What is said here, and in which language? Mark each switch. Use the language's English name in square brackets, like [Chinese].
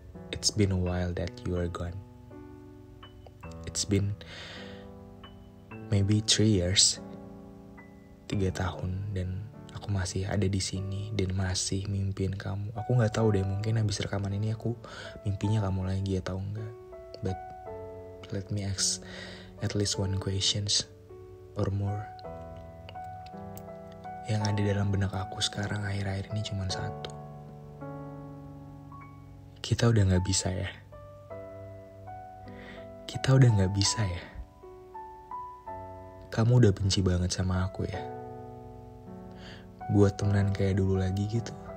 [English] It's been a while that you are gone. It's been maybe 3 years, [Indonesian] 3 tahun, dan aku masih ada di sini dan masih mimpiin kamu. Aku nggak tahu deh, mungkin habis rekaman ini aku mimpinya kamu lagi atau enggak. [English] But let me ask at least one questions or more. [Indonesian] Yang ada dalam benak aku sekarang akhir-akhir ini cuma satu. Kita udah nggak bisa ya. Kita udah nggak bisa ya. Kamu udah benci banget sama aku ya. buat temenan kayak dulu lagi gitu.